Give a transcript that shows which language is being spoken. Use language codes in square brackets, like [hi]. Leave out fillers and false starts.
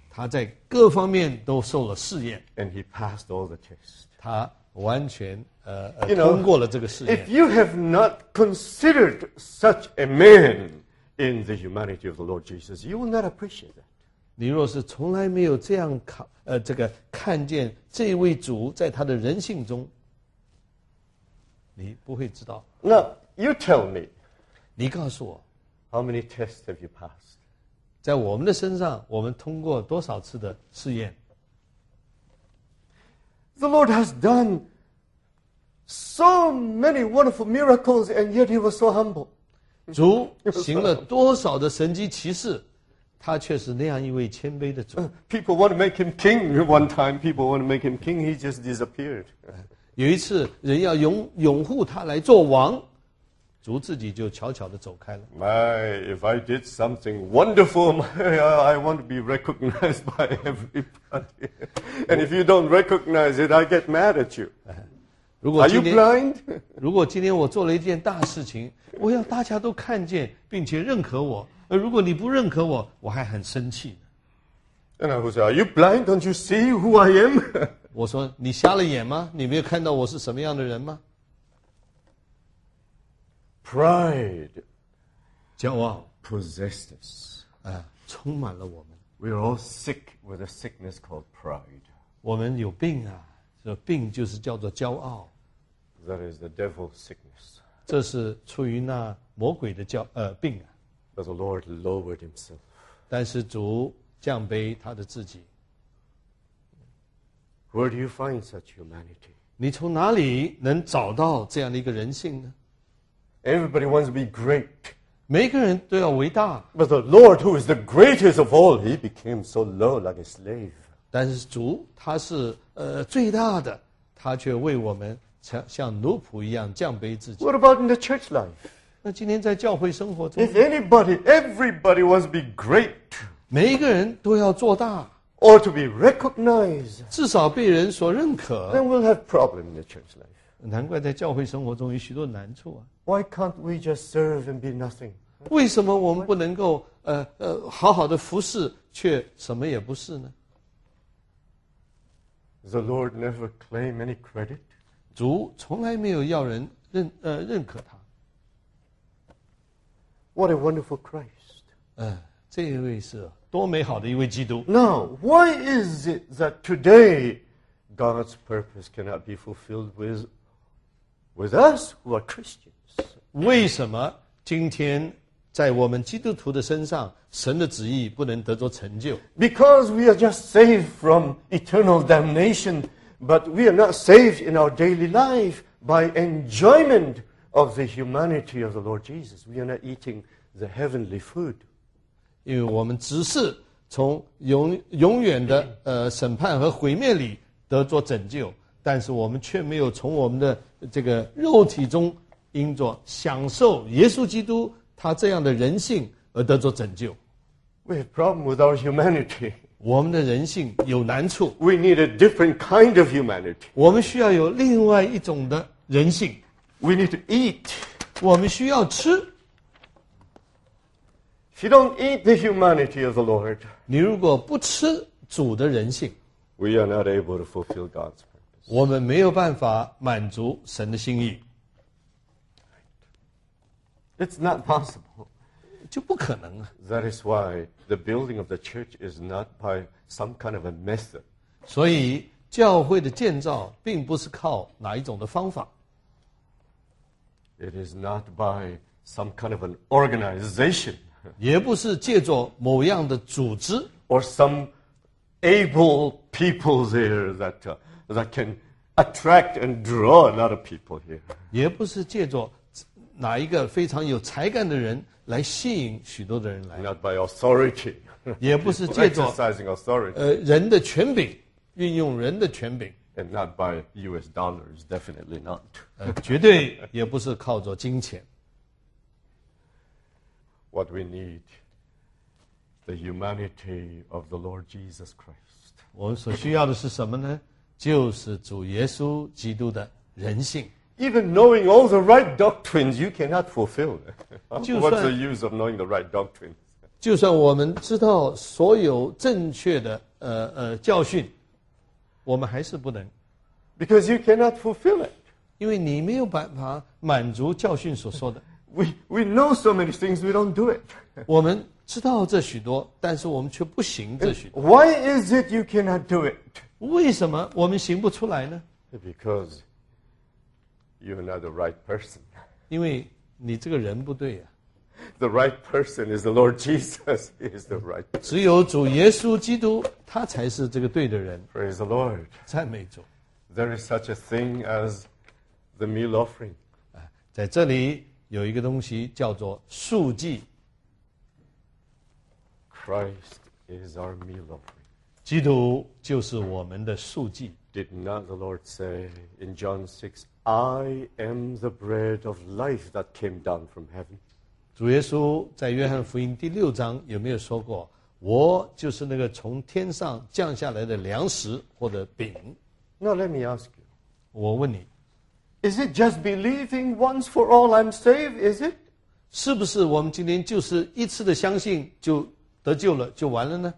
[zh] 他在各方面都受了试验 [en] ，and he passed all the tests. [zh] 他完全通过了这个试验。 [en] If you have not considered such a man in the humanity of the Lord Jesus, you will not appreciate that. [zh] 你若是从来没有这样看见这位主在他的人性中，你不会知道。 [en] Now you tell me. [zh] 你告诉我 [en] ，How many tests have you passed? [zh] 在我们的身上，我们通过多少次的试验。 [en] The Lord has done so many wonderful miracles, and yet he was so humble. [zh] 主行了多少的神迹奇事，他却是那样一位谦卑的主。 [en] People want to make him king one time. People want to make him king. He just disappeared. [zh] 有一次，人要拥护他来做王，主自己就悄悄地走开了。 [en] My, if I did something wonderful, I want to be recognized by everybody. And if you don't recognize it, I get mad at you. [zh] 如果今天 [en] Are you blind? [zh] 如果今天我做了一件大事情，我要大家都看见并且认可我。而如果你不认可我，我还很生气。 [en] And I would say, Are you blind? Don't you see who I am? [zh] 我说，你瞎了眼吗？你没有看到我是什么样的人吗？ [en] Pride, [zh] 骄傲 [en] possessed us, [zh] 充满了我们。 [en] We are all sick with a sickness called pride. [zh] 我们有病啊，这病就是叫做骄傲。 [en] That is the devil's sickness. [zh] 这是出于那魔鬼的病啊。 [en] But the Lord lowered himself. [zh] 但是主降卑他的自己。 [en] Where do you find such humanity? [zh] 你从哪里能找到这样的一个人性呢？ [en] Everybody wants to be great. [zh] 每个人都要伟大。 [en] But the Lord, who is the greatest of all, he became so low like a slave. [zh] 但是主他是最大的，他却为我们像奴仆一样降卑自己。 [en] What about in the church life? [zh] 那今天在教会生活中 [en] ，If anybody, everybody wants to be great, [zh] 每一个人都要做大 [en] ，or to be recognized, [zh] 至少被人所认可 [en] ，then we'll have problem in the church life. [zh] 难怪在教会生活中有许多难处啊。 [en] Why can't we just serve and be nothing? [zh] 为什么我们不能够好好的服侍，却什么也不是呢 [en] ？The Lord never claimed any credit. [zh] 主从来没有要人认可他。 [en] What a wonderful Christ. [zh] 这一位是多美好的一位基督。 [en] Now, why is it that today God's purpose cannot be fulfilled with us who are Christians? [zh] 为什么今天在我们基督徒的身上神的旨意不能得着成就？ [en] Because we are just saved from eternal damnation, but we are not saved in our daily life by enjoyment of the humanity of the Lord Jesus. We are not eating the heavenly food. [zh] 因为我们只是从永远的审判和毁灭里得着拯救，但是我们却没有从我们的这个肉体中因着享受耶稣基督他这样的人性而得着拯救。 [en] We have a problem with our humanity. [zh] 我们的人性有难处。 [en] We need a different kind of humanity. [zh] 我们需要有另外一种的人性。 [en] We need to eat. [zh] 我们需要吃。 [en] If you don't eat the humanity of the Lord, [zh] 你如果不吃主的人性， [en] we are not able to fulfill God's purpose. [zh] 我们没有办法满足神的心意。 [en] It's not possible. [zh] 就不可能啊。 [en] That is why the building of the church is not by some kind of a method. [zh] 所以教会的建造并不是靠哪一种的方法。 [en] It is not by some kind of an organization. [zh] 也不是借助某样的组织。 [en] Or some able people there that can attract and draw a lot of people here. [zh] 也不是借助哪一个非常有才干的人来吸引许多的人来。 [en] Not by authority. [zh] 也不是借助 [en] exercising authority. [zh] 人的权柄，运用人的权柄。 [en] And not by U.S. dollars, definitely not. [zh] 绝对也不是靠着金钱。 [en] What we need, the humanity of the Lord Jesus Christ. [zh] 我们所需要的是什么呢？就是主耶稣基督的人性。 [en] Even knowing all the right doctrines, you cannot fulfill. What's the use of knowing the right doctrines? [zh] 就算我们知道所有正确的教训。我们还是不能 [en] ，because you cannot fulfill it， [zh] 因为你没有办法满足教训所说的。 [en] We know so many things, we don't do it。 [zh] 我们知道这许多，但是我们却不行这许多。 [en] Why is it you cannot do it？ [zh] 为什么我们行不出来呢 [en] ？Because you're not the right person。 [zh] 因为你这个人不对呀。 [en] the right person is the Lord Jesus. He is the right person. [zh] 只有主耶稣基督，他才是这个对的人。 [en] Praise the Lord. [zh] 赞美主。 [en] There is such a thing as the meal offering. [zh] 在这里有一个东西叫做素祭。 [en] Christ is our meal offering. [zh] 基督就是我们的素祭。 [en] Did not the Lord say in John 6, I am the bread of life that came down from heaven? [zh] 主耶稣在约翰福音第六章有没有说过，我就是那个从天上降下来的粮食或者饼？ [en] Now let me ask you. [zh] 我问你， [en] Is it just believing once for all I'm saved? Is it? [zh] 是不是我们今天就是一次的相信就得救了就完了呢？